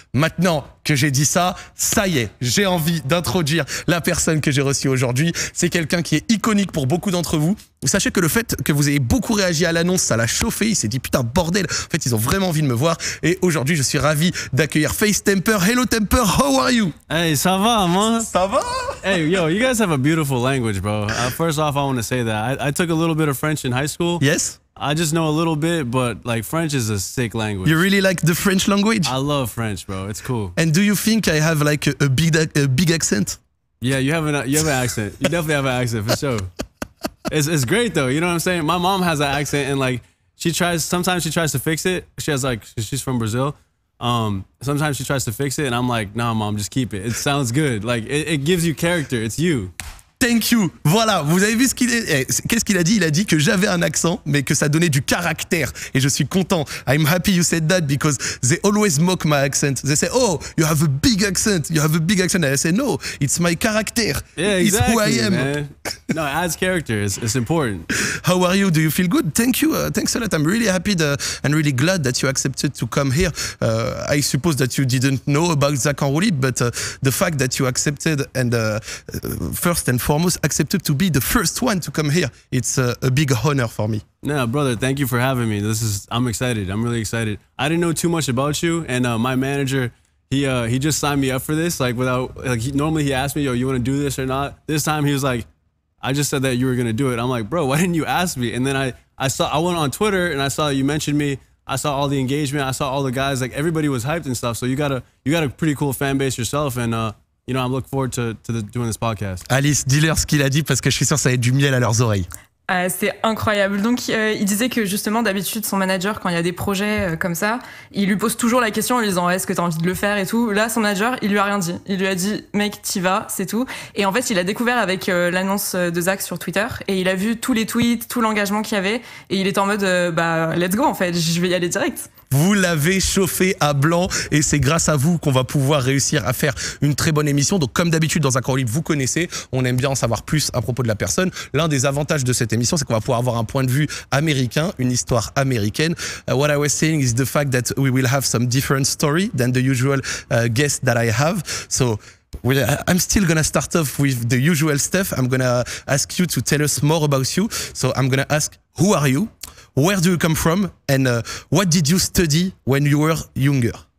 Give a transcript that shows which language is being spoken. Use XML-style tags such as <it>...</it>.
<fr>Maintenant que j'ai dit ça, ça y est, j'ai envie d'introduire la personne que j'ai reçue aujourd'hui. C'est quelqu'un qui est iconique pour beaucoup d'entre vous. Sachez que le fait que vous ayez beaucoup réagi à l'annonce, ça l'a chauffé, il s'est dit putain bordel, en fait ils ont vraiment envie de me voir. Et aujourd'hui je suis ravi d'accueillir FaZe Temperrr.</fr> <en>Hello Temperrr, how are you?</en> <fr>Hey, ça va man? Ça va?</fr> <en>Hey yo, you guys have a beautiful language bro. First off I want to say that I took a little bit of French in high school. Yes? I just know a little bit, but like French is a sick language. You really like the French language? I love French bro, it's cool. And do you think I have like a big accent? Yeah, you have an accent, you definitely have an accent for sure. It's great though, you know what I'm saying? My mom has that accent and like sometimes she tries to fix it. She has like, she's from Brazil. Sometimes she tries to fix it and I'm like, nah mom, just keep it. It sounds good. Like it gives you character, it's you. Thank you.</en> <fr>Voilà, vous avez vu ce qu'il est. Qu'est-ce qu'il a dit? Il a dit que j'avais un accent, mais que ça donnait du caractère. Et je suis content.</fr> <en>I'm happy you said that because they always mock my accent. They say, oh, you have a big accent. You have a big accent. And I say, no, it's my character. Yeah, it's exactly, who I am. Man. No, it adds character. It's important. How are you? Do you feel good? Thank you. Thanks a lot. I'm really happy and really glad that you accepted to come here. I suppose that you didn't know about Zack en roue libre, but the fact that you accepted and first and foremost accepted to be the first one to come here, it's a big honor for me. No, brother, thank you for having me. I'm excited. I'm really excited. I didn't know too much about you, and my manager, he just signed me up for this. Like normally he asked me, yo, you want to do this or not? This time he was like, I just said that you were gonna do it. I'm like, bro, why didn't you ask me? And then I went on Twitter and I saw you mentioned me. I saw all the engagement. I saw all the guys. Like everybody was hyped and stuff. So you got a pretty cool fan base yourself. And you know, I'm looking forward to doing this podcast.</en> <fr>Alice, dis-leur ce qu'il a dit parce que je suis sûr que ça va être du miel à leurs oreilles. C'est incroyable. Donc, il disait que justement, d'habitude, son manager, quand il y a des projets comme ça, il lui pose toujours la question en lui disant, est-ce que t'as envie de le faire et tout. Là, son manager, il lui a rien dit. Il lui a dit, mec, t'y vas, c'est tout. Et en fait, il a découvert avec l'annonce de Zack sur Twitter et il a vu tous les tweets, tout l'engagement qu'il y avait et il est en mode, bah,</fr> <en>let's go,</en> <fr>en fait, je vais y aller direct. Vous l'avez chauffé à blanc et c'est grâce à vous qu'on va pouvoir réussir à faire une très bonne émission. Donc, comme d'habitude, dans un corps libre, vous connaissez, on aime bien en savoir plus à propos de la personne. L'un des avantages de cette émission, c'est qu'on va pouvoir avoir un point de vue américain, une histoire américaine.</fr> <en>What I was saying is the fact that we will have some different story than the usual guest that I have. So, I'm still gonna start off with the usual stuff. I'm gonna ask you to tell us more about you. So, I'm gonna ask, who are you? where do you come from, and what did you study when you were younger?</en>